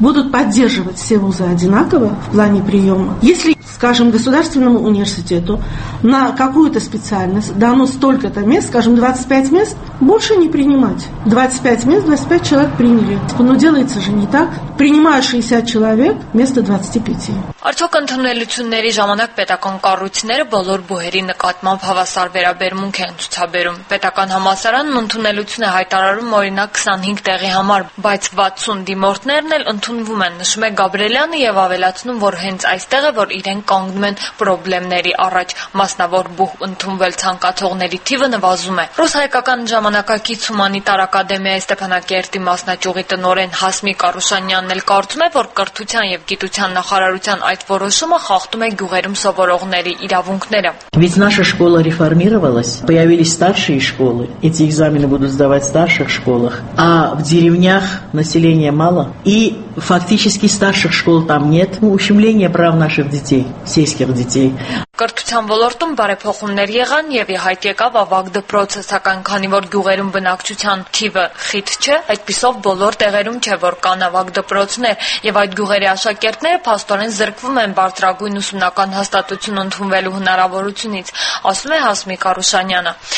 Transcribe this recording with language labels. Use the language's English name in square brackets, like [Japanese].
[Russian] Поддерживать все вузы одинаково в плане приема. Если, скажем, государственному университету на какую-то специальность дано столько-то мест, скажем, 25 мест, больше не принимать. 25 мест, 25 человек приняли. Но делается же не так. Принимают 60 человек вместо 25. [Armenian] Արդյոք ընդունելությունների ժամանակ պետական կառույցները բոլոր բուհերի նկատմամբ հավասար վերաբերմունք են ցուցաբերում։ Պետական համալսարանն ընդունելություն է հայտարարում օրինակ 25 տեղի համար, բայց 60 դիմորդներն էլ ընդունվում են, նշում է Գաբրելյանը, եւ ավելացնում, որ հենց այստեղ է, որ իրենք կանգնում են պրոբլեմների առաջ, մասնավոր բուհ ընդունվել ցանկացողների թիվը նվազում է։ Ռուս-հայկական ժամանակակից հումանիտար ակադեմիայի Ստեփանակերտի մասնաճյուղի տնօրեն Հասմիկ Արուսանյանն էլ կարծում է, որ կրթության և գիտության նախարարության այդ որոշումը խախտում է գյուղերում սովորողների իրավունքները։ [Russian] Появились старшие школы, эти экзамены будут сдавать в старших школах, а в деревнях населения мало, и фактически старших школ там нет, ущемление прав наших детей, сельских детей. [Armenian] Կրթության ոլորտում բարեփոխումներ եղան եւ ի հայտ եկավ ավագ դպրոցը, սակայն քանի որ գյուղերում բնակչության թիվը խիտ չէ, այդպիսով բոլոր տեղերում չէ, որ կան ավագ դպրոցներ եւ այդ գյուղերի աշակերտները փաստորեն զրկվում են բարձրագույն ուսումնական հաստատություն ընդունվելու հնարավորությունից, ասում է Հասմիկ Արուսանյանը։